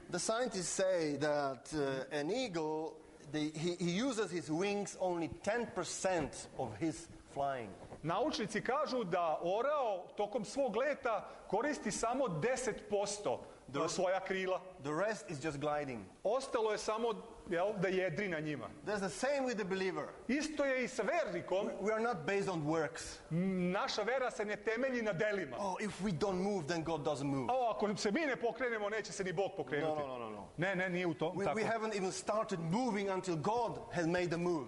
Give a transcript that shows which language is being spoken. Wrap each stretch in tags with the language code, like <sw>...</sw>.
<en>The scientists say that an eagle he uses his wings only 10% of his flying.</en> <sr>Naučnici kažu da orao tokom svog leta koristi samo 10% svoja krila.</sr> <en>The rest is just gliding.</en> <sr>Ostalo je samo da jedri na njima.</sr> <en>That's the same with the believer.</en> <sr>Isto je i sa vernikom.</sr> <en>We are not based on works.</en> <sr>Naša vera se ne temelji na delima.</sr> <en>Oh, if we don't move, then God doesn't move.</en> <sr>A ako se mi ne pokrenemo, neće se ni Bog pokrenuti.</sr> <en>No.</en> <sr>Ne, nije u tom tako.</sr> <en>We haven't even started moving until God has made the move.</en>